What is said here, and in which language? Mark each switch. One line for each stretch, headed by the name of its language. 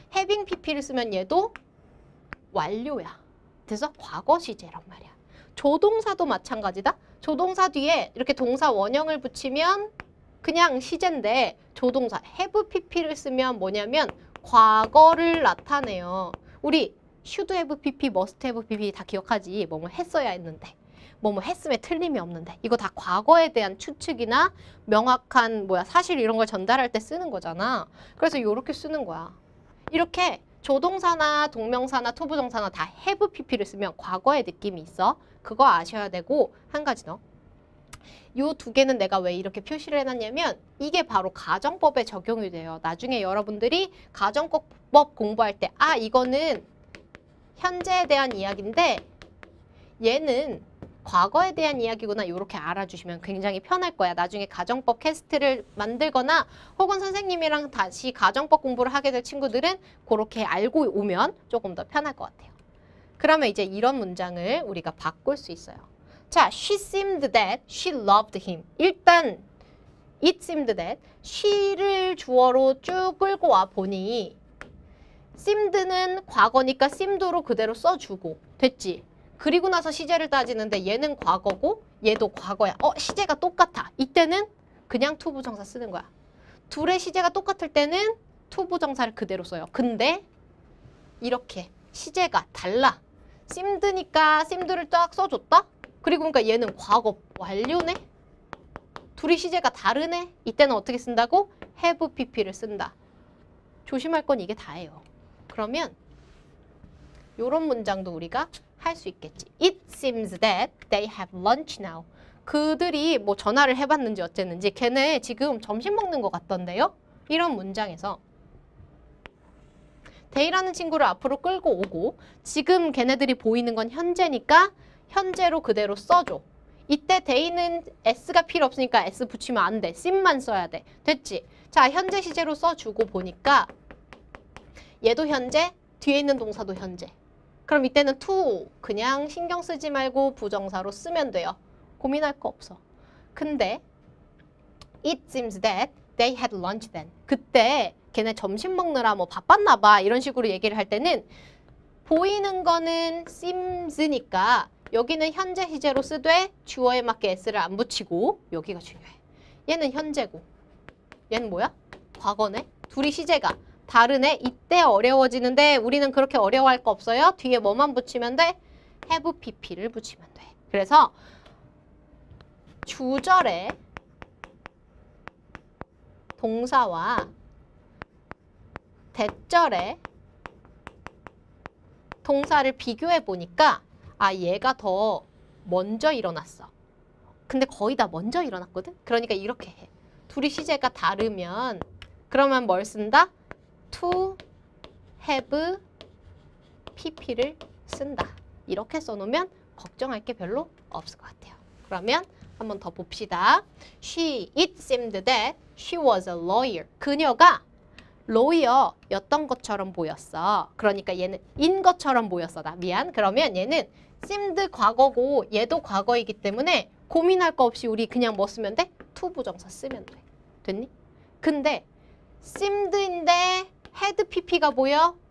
Korean: having pp를 쓰면 얘도 완료야. 그래서 과거 시제란 말이야. 조동사도 마찬가지다. 조동사 뒤에 이렇게 동사 원형을 붙이면 그냥 시제인데 조동사 have pp를 쓰면 뭐냐면 과거를 나타내요. 우리 should have pp, must have pp 다 기억하지? 뭐뭐 했어야 했는데. 뭐뭐 했음에 틀림이 없는데. 이거 다 과거에 대한 추측이나 명확한 뭐야, 사실 이런 걸 전달할 때 쓰는 거잖아. 그래서 이렇게 쓰는 거야. 이렇게 조동사나 동명사나 to 부정사나 다 have pp를 쓰면 과거의 느낌이 있어. 그거 아셔야 되고 한 가지 더. 요두 개는 내가 왜 이렇게 표시를 해놨냐면 이게 바로 가정법에 적용이 돼요. 나중에 여러분들이 가정법 공부할 때 아, 이거는 현재에 대한 이야기인데 얘는 과거에 대한 이야기구나 이렇게 알아주시면 굉장히 편할 거야. 나중에 가정법 퀘스트를 만들거나 혹은 선생님이랑 다시 가정법 공부를 하게 될 친구들은 그렇게 알고 오면 조금 더 편할 것 같아요. 그러면 이제 이런 문장을 우리가 바꿀 수 있어요.
English: 자, she seemed that she loved him.
Korean: 일단
English: it seemed that she
Korean: 를 주어로 쭉 끌고 와 보니 seemed는 과거니까 seemed로 그대로 써주고 됐지. 그리고 나서 시제를 따지는데 얘는 과거고 얘도 과거야. 시제가 똑같아. 이때는 그냥 to 부정사 쓰는 거야. 둘의 시제가 똑같을 때는 to 부정사를 그대로 써요. 근데 이렇게 시제가 달라. seemed니까 seemed를 딱 써줬다. 그리고 그러니까 얘는 과거 완료네. 둘이 시제가 다르네. 이때는 어떻게 쓴다고? have pp를 쓴다. 조심할 건 이게 다예요. 그러면 이런 문장도 우리가 할수 있겠지.
English: It seems that they have lunch now.
Korean: 그들이 뭐 전화를 해봤는지 어쨌는지 걔네 지금 점심 먹는 것 같던데요? 이런 문장에서 they라는 친구를 앞으로 끌고 오고 지금 걔네들이 보이는 건 현재니까 현재로 그대로 써줘. 이때 they는 s가 필요 없으니까 s 붙이면 안 돼. seem만 써야 돼. 됐지? 자, 현재 시제로 써주고 보니까 얘도 현재, 뒤에 있는 동사도 현재. 그럼 이때는 to 그냥 신경 쓰지 말고 부정사로 쓰면 돼요. 고민할 거 없어.
English: 근데 it seems that they had lunch then.
Korean: 그때 걔네 점심 먹느라 뭐 바빴나 봐. 이런 식으로 얘기를 할 때는 보이는 거는 seems니까 여기는 현재 시제로 쓰되 주어에 맞게 s를 안 붙이고 여기가 중요해. 얘는 현재고 얘는 뭐야? 과거네. 둘이 시제가 다르네. 이때 어려워지는데 우리는 그렇게 어려워할 거 없어요. 뒤에 뭐만 붙이면 돼? have pp를 붙이면 돼. 그래서 주절에 동사와 대절에 동사를 비교해 보니까 아, 얘가 더 먼저 일어났어. 근데 거의 다 먼저 일어났거든? 그러니까 이렇게 해. 둘이 시제가 다르면 그러면 뭘 쓴다? To have PP를 쓴다. 이렇게 써놓으면 걱정할 게 별로 없을 것 같아요. 그러면 한번 더 봅시다.
English: She, it seemed that she was a lawyer.
Korean: 그녀가 로이어였던 것처럼 보였어. 그러니까 얘는 인 것처럼 보였어. 나 미안. 그러면 얘는 seemed 과거고 얘도 과거이기 때문에 고민할 거 없이 우리 그냥 뭐 쓰면 돼? to 부정사 쓰면 돼. 됐니? 근데 seemed인데 had pp가 보여?